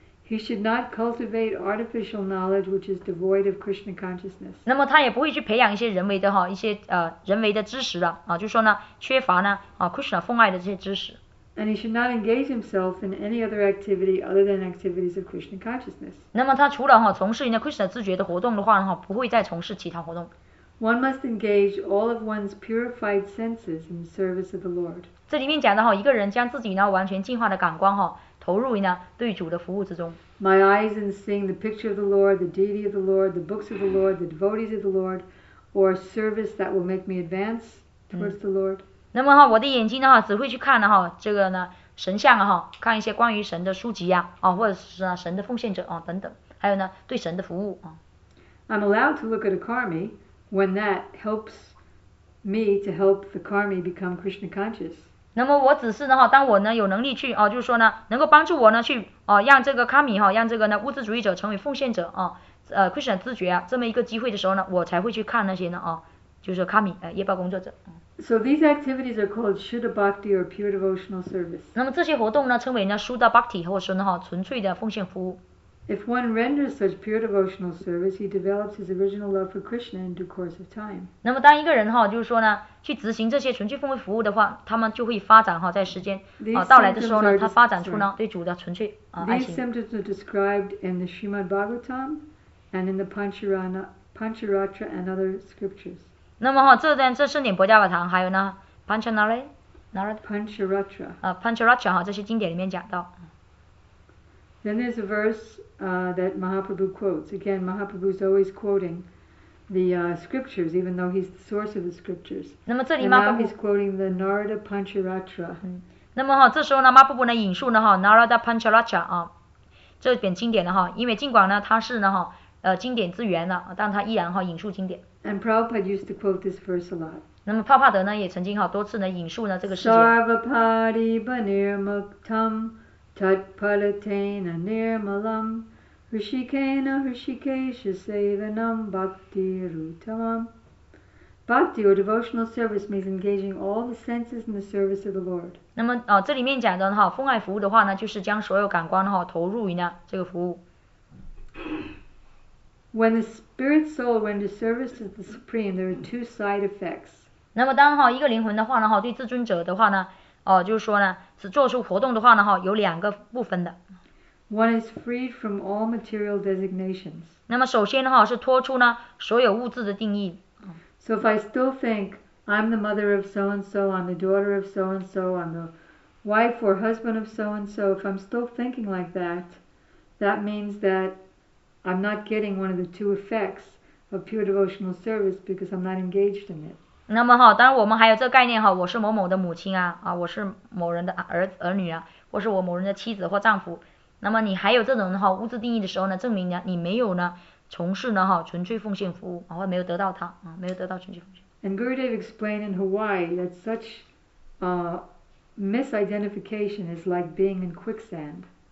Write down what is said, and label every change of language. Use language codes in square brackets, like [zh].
[en] He should not cultivate artificial knowledge which is devoid of Krishna consciousness. [zh] 那么他也不会去培养一些人为的哈一些人为的知识的啊，就说呢缺乏呢Krishna奉爱的这些知识。 [en] And he should not engage himself in any other activity other than activities of Krishna consciousness. [zh] 那么他除了哈从事呢 Krishna 自觉的活动的话哈，不会再从事其他活动。 [en] One must engage all of one's purified senses in service of the Lord. [zh] 这里面讲的哈，一个人将自己呢完全净化的感官哈， [en] My eyes in seeing the picture of the Lord, the deity of the Lord, the books of the Lord, the devotees of the Lord, or service that will make me advance towards the Lord. [zh] 那么哈，我的眼睛的话只会去看的哈，这个呢神像啊哈，看一些关于神的书籍呀、啊，啊或者是啊神的奉献者啊等等，还有呢对神的服务啊。 [en] I'm allowed to look at a karmi when that helps me to help the karmi become Krishna conscious. [zh] 那么我只是呢哈，当我呢有能力去啊，就是说呢能够帮助我呢去啊，让这个 karmi 哈、啊，让这个呢物质主义者成为奉献者啊，Krishna 知觉啊这么一个机会的时候呢，我才会去看那些呢啊，就是 karmi 业报工作者。 [en] So these activities are called Shuddha Bhakti or pure devotional service. [zh] 那么这些活动呢，称为呢 Shuddha Bhakti 或者是呢纯粹的奉献服务。 [en] If one renders such pure devotional service, he develops his original love for Krishna in due course of time. [zh] 那么当一个人哈，就是说呢，去执行这些纯粹奉献服务的话，他们就会发展哈，在时间啊到来的时候呢，他发展出呢对主的纯粹啊爱情。 [en] These symptoms are described in the Srimad Bhagavatam and in the Pancharatra and other scriptures. [zh] 那么哈，这段这圣典薄伽梵堂还有呢 [en] Pancharatra [zh] 哈，这些经典里面讲到。 [en] Then there's a verse that Mahaprabhu quotes. Again, Mahaprabhu is always quoting the scriptures, even though he's the source of the scriptures. [zh] 那么这里 [en] Mahaprabhu is quoting the Narada Pancharatra. [zh] 那么哈，这时候呢 ，Mahaprabhu 呢引述呢哈 Narada Pancharatra 啊这本经典的哈，因为尽管呢他是呢哈经典之源呢，但他依然哈引述经典。 [en] And Prabhupada used to quote this verse a lot. [zh] 那么帕帕德呢也曾经哈多次呢引述呢这个事 [sa] 件。Sarvapadi Banirmuktam. Tat palatena nirmalam Hrishikena Hrishikesha sevanam bhakti rutamam. [en] Bhakti or devotional service means engaging all the senses in the service of the Lord. [zh] 那么、这里面讲的哈，奉爱服务的话呢，就是将所有感官哈投入于呢这个服务。 When the spirit soul renders service to the Supreme, there are two side effects. 那么当哈一个灵魂的话呢，哈对至尊者的话呢。哦，就是说呢，是做出活动的话呢，哈，有两个部分的。 One is freed from all material designations. 那么首先呢，哈，是脱出呢所有物质的定义。 So if I still think I'm the mother of so and so, I'm the daughter of so and so, I'm the wife or husband of so and so, if I'm still thinking like that, that means that I'm not getting one of the two effects of pure devotional service because I'm not engaged in it. 那么哈，当然我们还有这个概念哈，我是某某的母亲啊，啊，我是某人的儿女啊，或是我某人的妻子或丈夫。那么你还有这种哈物质定义的时候呢，证明呢你没有呢从事呢哈纯粹奉献服务，然后没有得到它啊，没有得到纯粹奉献。 [en] And Gurudev explained in Hawaii that such misidentification is like being in quicksand.